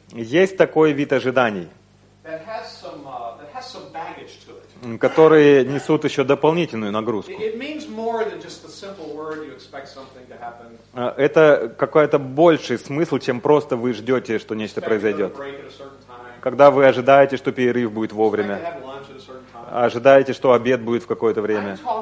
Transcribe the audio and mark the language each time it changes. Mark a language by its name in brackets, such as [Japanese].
[Russian] Есть такой вид ожиданий, [English] that has some, baggage to it. [Russian] Которые несут еще дополнительную нагрузку. [English] It means more than just the simple word you expect something to happen. [Russian] Это какой-то больший смысл, чем просто вы ждете, что нечто произойдет. Когда вы ожидаете, что перерыв будет вовремя. Ожидаете, что обед будет в какое-то время.